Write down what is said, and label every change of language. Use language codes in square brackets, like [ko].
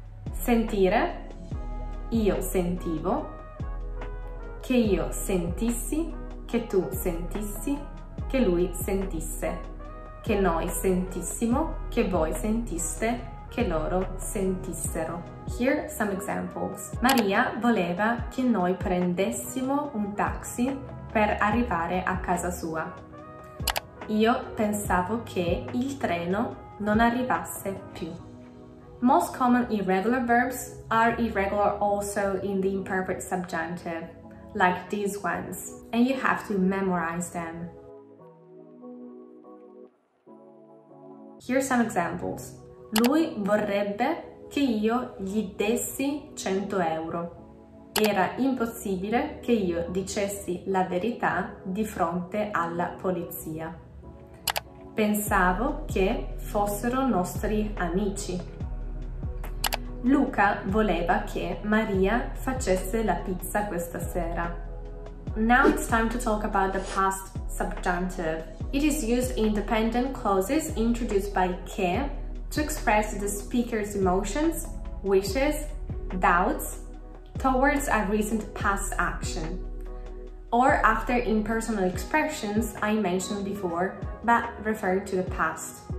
[it] Sentire, io sentivo, che io sentissi, che tu sentissi, che lui sentisse, che noi sentissimo, che voi sentiste, che loro sentissero. [en] Here some examples. [it] Maria voleva che noi prendessimo un taxi per arrivare a casa sua. Io pensavo che il treno non arrivasse più. [en] Most common irregular verbs are irregular also in the imperfect subjunctive, like these ones, and you have to memorize them. Here are some examples. [it] Lui vorrebbe che io gli dessi 100 euro. Era impossibile che io dicessi la verità di fronte alla polizia. Pensavo che fossero nostri amici. Luca voleva che Maria facesse la pizza questa sera. [en] Now it's time to talk about the past subjunctive. It is used in dependent clauses introduced by che to express the speaker's emotions, wishes, doubts towards a recent past action, or after impersonal expressions I mentioned before but referring to the past.